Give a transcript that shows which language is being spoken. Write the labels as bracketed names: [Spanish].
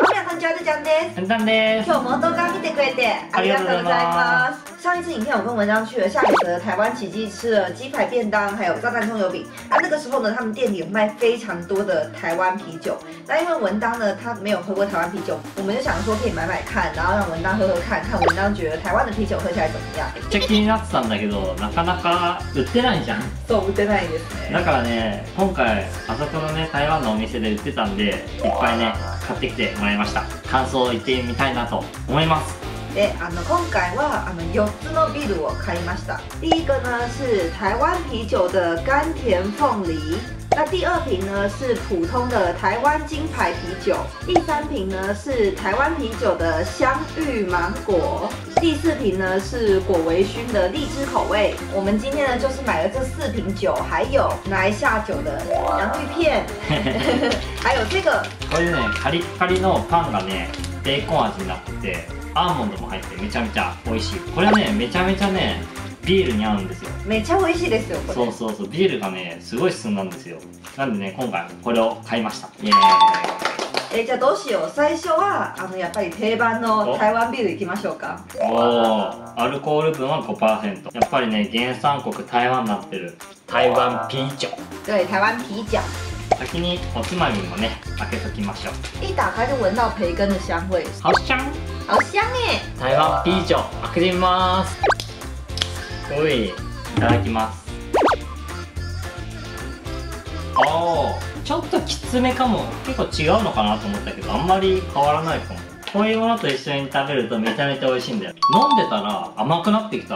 [Japanese] ちゃん、あずちゃんです。あずさんです。今日も動画見てくれてありがとうございます。 [Chinese] 上一次影片我跟文章去了下雨的台湾奇迹，吃了鸡排便当，还有炸弹葱油饼。那那个时候呢，他们店里有卖非常多的台湾啤酒。那因为文章呢，他没有喝过台湾啤酒，我们就想说可以买买看，然后让文章喝喝看看文章觉得台湾的啤酒喝起来怎么样。 [Japanese] めっちゃ気になってたんだけど、なかなか売ってないじゃん。そう、売ってないですね。だからね、今回あそこのね台湾のお店で売ってたんで、いっぱいね買ってきてもらいました。感想を言ってみたいなと思います。で、今回は4つのビールを買いました。 [Chinese] 第一个呢是台湾啤酒的甘甜凤梨。那第二瓶呢是普通的台湾金牌啤酒。第三瓶呢是台湾啤酒的香芋芒果。第四瓶呢是果微醺的荔枝口味。我们今天呢就是买了这四瓶酒，还有拿一下酒的洋芋片，还有这个。 [Japanese] これね、カリカリのパンがね、ベーコン味になって。アーモンドも入ってめちゃめちゃ美味しい。これねめちゃめちゃねビールに合うんですよ。めちゃ美味しいですよこれ。そうそうそう、ビールがねすごい進んだんですよ。なんでね今回これを買いました。イエーイ。じゃあどうしよう、最初はやっぱり定番の台湾ビールいきましょうか。おお、アルコール分は 5%。やっぱりね原産国台湾になってる台湾啤酒。 [Chinese] 对，台湾啤酒。 [Japanese] 先におつまみもね開けときましょう。 [Chinese] 一打開就闻到培根的香味。好香好香耶。 [Japanese] 台湾啤酒開けてみます。おい、いただきます。おお、ちょっときつめかも。結構違うのかなと思ったけどあんまり変わらないかも。こういうものと一緒に食べるとめちゃめちゃ美味しいんだよ。飲んでたら甘くなってきた。